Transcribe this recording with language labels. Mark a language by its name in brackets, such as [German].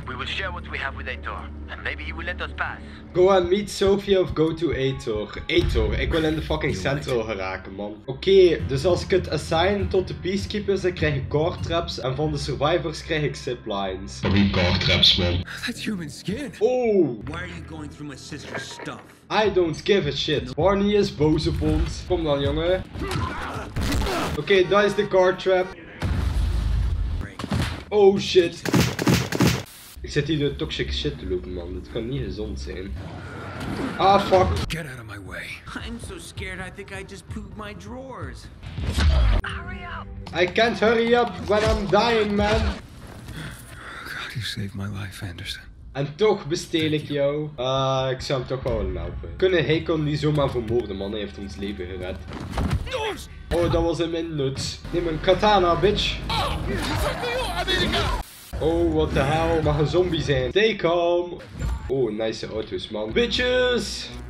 [English] We will share what we have with Aitor. And maybe he will let us pass. Go and meet Sophia of go to Aitor. [Dutch] Aitor, ik wil in de fucking centro geraken, man. Oké, dus als ik het assign tot de peacekeepers, dan krijg ik core traps. En van de survivors krijg ik ziplines. Wat doen core traps, man? [English] That's human skin. Oh. Why are you going through my sister's stuff? I don't give a shit. [Dutch] Barney is boos op ons. Kom dan, jongen. Oké, dat is de core trap. [English] Oh shit. [Dutch] Ik zit hier de [English] toxic shit [Dutch] te lopen, man. Dit kan niet gezond zijn. [English] Ah, fuck. Get out of my way. I'm so scared I think I just pooped my drawers. Hurry up. I can't hurry up when I'm dying, man. God, you saved my life, Anderson. [Dutch] En toch besteel ik jou. Ik zou hem toch wel willen helpen. Kunnen hij kon niet zomaar vermoorden, man. Hij heeft ons leven gered. Oh, dat was in mijn nuts. Neem een katana, bitch. [English] Oh, what the hell? [Dutch] Mag een zombie zijn. [English] Stay calm. Oh, nice auto's, man. Bitches!